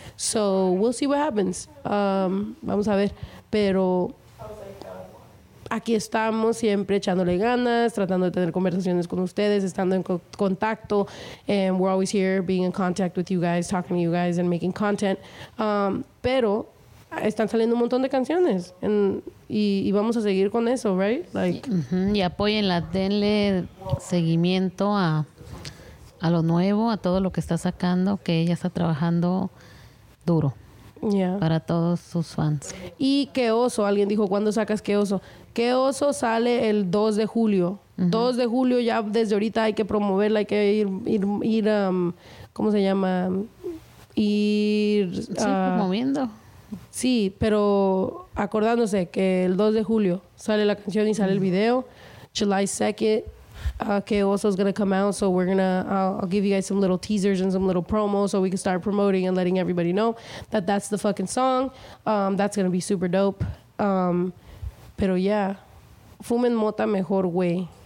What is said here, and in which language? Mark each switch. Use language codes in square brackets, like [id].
[en] So we'll see what happens. [es] Vamos a ver. Pero aquí estamos siempre echándole ganas, tratando de tener conversaciones con ustedes, estando en contacto. [en] And we're always here being in contact with you guys, talking to you guys and making content. [es] Pero están saliendo un montón de canciones y vamos a seguir con eso, right? [en] Like, [es] y apóyenla, denle seguimiento a lo nuevo, a todo lo que está sacando, que ella está trabajando duro para todos sus fans. Y qué oso, alguien dijo, ¿cuándo sacas qué oso? Qué oso sale el 2 de julio. Uh-huh. 2 de julio ya desde ahorita hay que promoverla, hay que ir ¿cómo se llama? Moviendo. Sí, pero acordándose que el 2 de julio sale la canción y sale el video. [en] July 2nd, que also is going to come out. So we're going to, I'll give you guys some little teasers and some little promos so we can start promoting and letting everybody know that that's the fucking song. That's going to be super dope. Pero yeah, [es] fumen mota mejor güey.